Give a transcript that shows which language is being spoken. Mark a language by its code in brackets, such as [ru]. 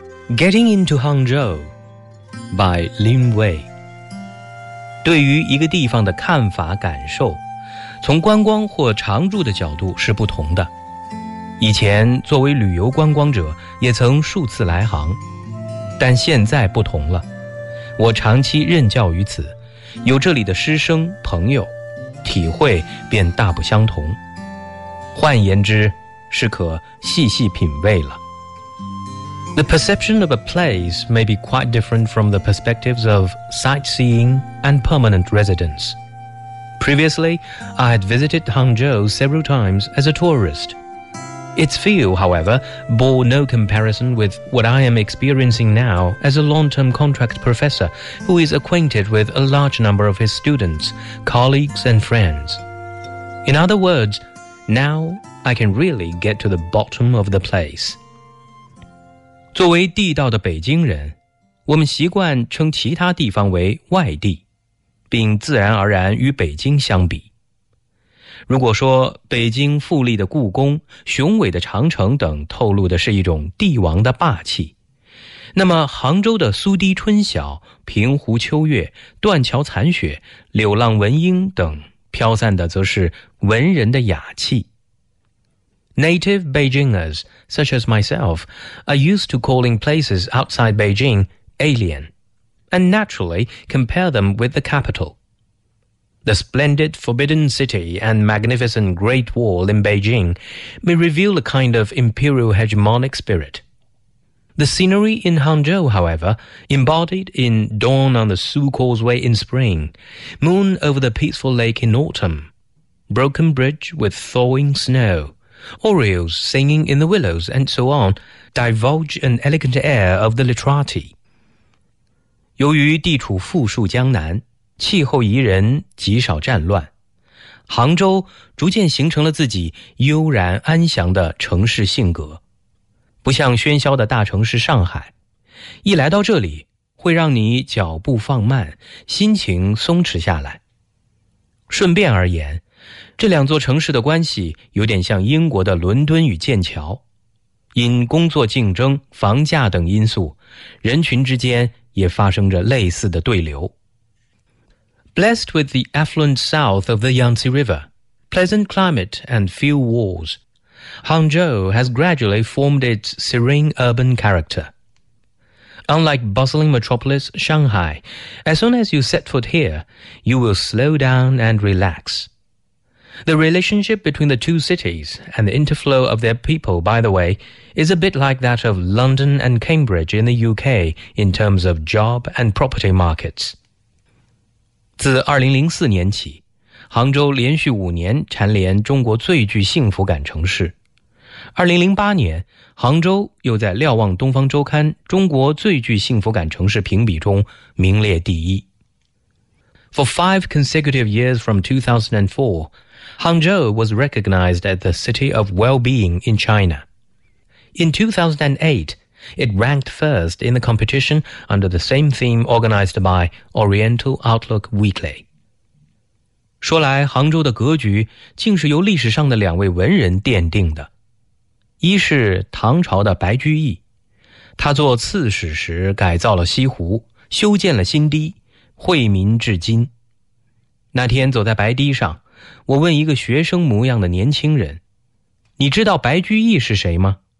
[en] Getting into Hangzhou by 林威。 [zh] 对于一个地方的看法感受，从观光或常住的角度是不同的。以前作为旅游观光者也曾数次来杭，但现在不同了。我长期任教于此，有这里的师生朋友，体会便大不相同。换言之，是可细细品味了。 [en] The perception of a place may be quite different from the perspectives of sightseeingand permanent residence. Previously, I had visited Hangzhou several times as a tourist. Its feel, however, bore no comparison with what I am experiencing now as a long-term contract professor who is acquainted with a large number of his students, colleagues, and friends. In other words, now I can really get to the bottom of the place. [zh] 作为地道的北京人，我们习惯称其他地方为外地。并自然而然与北京相比。如果说北京富丽的故宫、雄伟的长城等透露的是一种帝王的霸气，那么杭州的苏堤春晓、平湖秋月、断桥残雪、柳浪闻莺等飘散的则是文人的雅气。 [en] Native Beijingers, such as myself, are used to calling places outside Beijing alien, and naturally compare them with the capital. The splendid Forbidden City and magnificent Great Wall in Beijing may reveal a kind of imperial hegemonic spirit. The scenery in Hangzhou, however, embodied in dawn on the Su Causeway in spring, moon over the peaceful lake in autumn, broken bridge with thawing snow,Orioles singing in the willows and so on, divulge an elegant air of the literati. [zh] 由于地处富庶江南，气候宜人，极少战乱，杭州逐渐形成了自己悠然安详的城市性格。不像喧嚣的大城市上海，一来到这里，会让你脚步放慢，心情松弛下来。顺便而言，这两座城市的关系有点像英国的伦敦与剑桥，因工作竞争、房价等因素，人群之间也发生着类似的对流。 [en] Blessed with the affluent south of the Yangtze River, pleasant climate and few wars, Hangzhou has gradually formed its serene urban character. Unlike bustling metropolis Shanghai, as soon as you set foot here, you will slow down and relax. The relationship between the two cities and the interflow of their people, by the way, is a bit like that of London and Cambridge in the UK in terms of job and property markets. [zh] 自2004年起，杭州连续五年蝉联中国最具幸福感城市。 2008年，杭州又在瞭望东方周刊中国最具幸福感城市评比中名列第一。 [en] For five consecutive years from 2004,Hangzhou was recognized as the city of well-being in China. In 2008, it ranked first in the competition under the same theme organized by Oriental Outlook Weekly. [zh] 说来，杭州的格局竟是由历史上的两位文人奠定的。一是唐朝的白居易，他做刺史时改造了西湖，修建了新堤，惠民至今。那天走在白堤上，我问一个学生模样的年轻人，你知道白居易是谁吗？